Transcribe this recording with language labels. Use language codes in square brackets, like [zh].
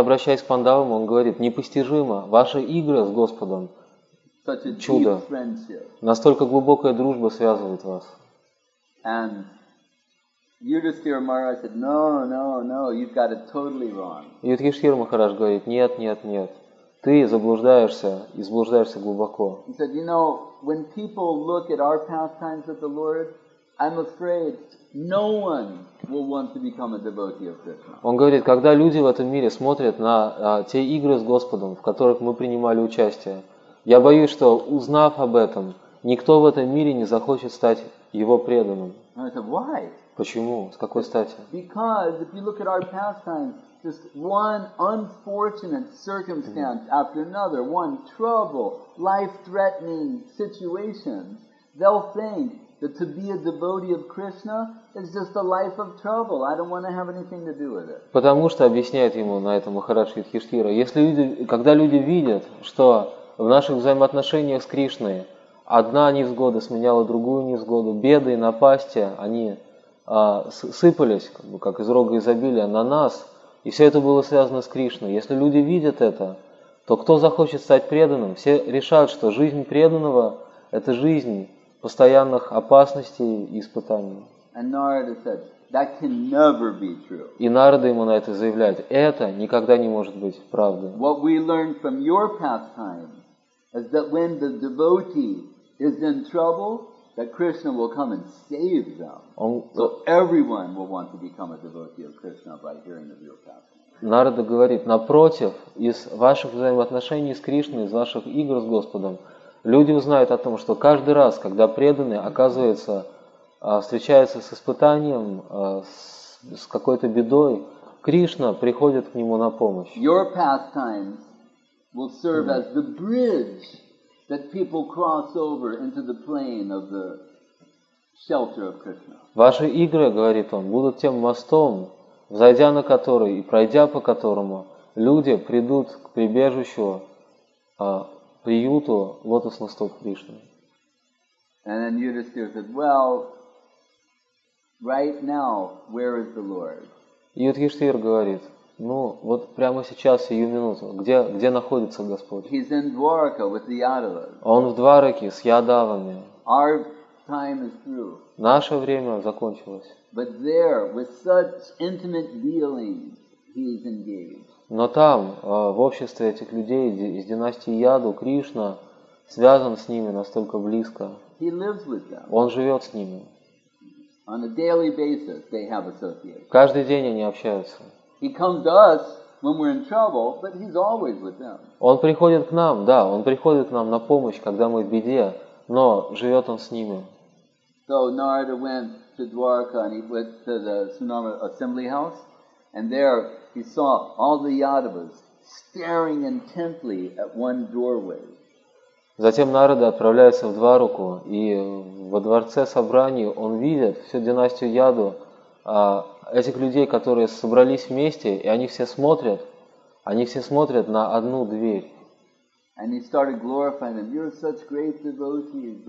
[ru] обращаюсь к Пандавам, он говорит, непостижимо, ваши игры с Господом, чудо, настолько глубокая дружба связывает вас. Юдхиштхира Махарадж говорит, нет, нет, нет. Ты заблуждаешься и заблуждаешься глубоко. Он сказал, [en] you know, when people look at our pastimes with the Lord, I'm afraid no one will want to become a devotee of Krishna. [ru] Он говорит, когда люди в этом мире смотрят на те игры с Господом, в которых мы принимали участие, я боюсь, что узнав об этом, никто в этом мире не захочет стать его преданным. [en] And I said, why? [ru] Почему? С какой стати? [en] Because if you look at our pastimes, just one unfortunate circumstance after another, one trouble, life-threatening situation, they'll think that to be a devotee of Krishna is just a life of trouble. I don't want to have anything to do with it. [ru] Потому что объясняет ему на этом Махарадж Юдхиштхира, когда люди видят, что в наших взаимоотношениях с Кришной одна невзгода сменяла другую невзгоду, беды и напасти, они сыпались как бы как из рога изобилия на нас, и все это было связано с Кришной. Если люди видят это, то кто захочет стать преданным? Все решат, что жизнь преданного — это жизнь постоянных опасностей и испытаний. [en] And Narada said, that can never be true. [ru] И Нарада ему на это заявляет, это никогда не может быть правдой. [en] What we learned from your pastime is that when the devotee is in trouble, that Krishna will come and save them. So everyone will want to become a devotee of Krishna by hearing of your pastime. [ru] Нарада говорит, напротив, из ваших взаимоотношений с Кришной, из ваших игр с Господом, люди узнают о том, что каждый раз, когда преданный оказывается, встречается с испытанием, с какой-то бедой, Кришна приходит к нему на помощь. [en] Your pastimes will serve as the bridge that people cross over into the plane of the shelter of Krishna. [ru] Ваши игры, говорит он, будут тем мостом, взойдя на который и пройдя по которому, люди придут к прибежищу, приюту лотосных стоп Кришны. [en] And then Yudhisthira said, well, right now, where is the Lord? [ru] Юдхиштхир говорит, ну, вот прямо сейчас, сию минуту, где находится Господь? [en] He's in Dwarka with the Yadavas. [ru] Он в Двараке с Ядавами. [en] Our time is through. [ru] Наше время закончилось. [en] But there, with such intimate dealings, he is engaged. [ru] Но там, в обществе этих людей из династии Яду, Кришна связан с ними настолько близко. [en] He lives with them. [ru] Он живет с ними. [en] On a daily basis, they have association. [ru] Каждый день они общаются. [en] He comes to us when we're in trouble, but he's always with them. [ru] Он приходит к нам, да, он приходит к нам на помощь, когда мы в беде, но живет он с ними. [en] So Narada went to Dwarka and he went to the Sunama assembly house, and there he saw all the Yadavas staring intently at one doorway. [ru] Затем Нарада отправляется в Двараку, и во дворце собраний он видит всю династию Яду, этих людей, которые собрались вместе, и они все смотрят на одну дверь. [en] And he started glorifying them. You're such great devotees.